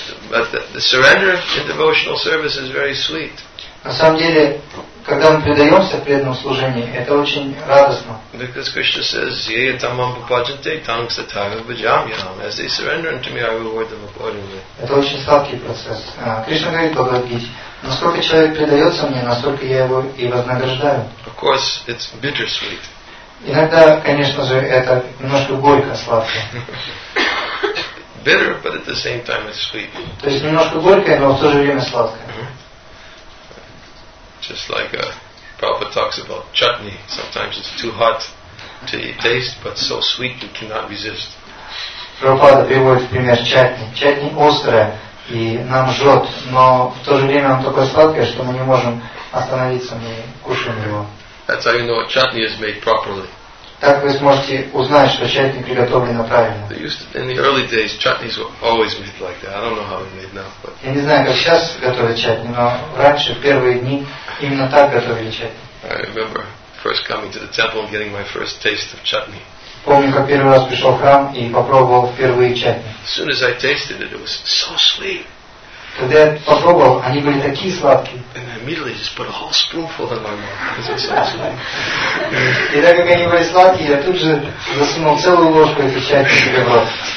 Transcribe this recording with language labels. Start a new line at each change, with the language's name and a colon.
English: But the surrender in devotional service is very sweet.
Russian: На самом деле, когда мы предаемся преданному служению, это очень радостно.
English: Because Krishna says,
Sanskrit: "Yea, tamam bhajante, tang satava bhajamyam."
English: As they surrender unto me, I reward them accordingly.
Russian: Это очень сладкий процесс. Кришна говорит, Бхагавад-гите, насколько человек предается мне, настолько я его и вознаграждаю.
English: Of course, it's bittersweet.
Russian: Иногда, конечно же, это немножко горько, сладко.
English: Bitter, but at the same time it's sweet.
Russian: То есть немножко горькое, но в то же время сладкое.
English: Just like Prabhupada talks about chutney. Sometimes it's too hot to taste, but so sweet you cannot resist.
Russian: Прабхупада приводит в пример чатни. Чатни острое и нам жжет, но в то же время он такое сладкое, что мы не можем остановиться, мы кушаем его.
English: That's how you know chutney is made properly.
Russian: Так вы сможете узнать, что чатни приготовлено правильно.
English: They used to, in the early days, chutneys were always made like that. I don't know how they're made now. But
Russian: я не знаю, как сейчас готовят чатни, но раньше, в первые дни, именно так готовили чатни.
English: I remember first coming to the temple and getting my first taste of chutney.
Russian: Помню, как первый раз пришел в храм и попробовал впервые чатни.
English: As soon as I tasted it, it was so sweet.
Russian: Когда я попробовал, они были такие сладкие.
English: And I immediately just put a whole spoonful in my mouth.
Russian: И так как они были сладкие, я тут же засунул целую ложку этой чатни себе в рот.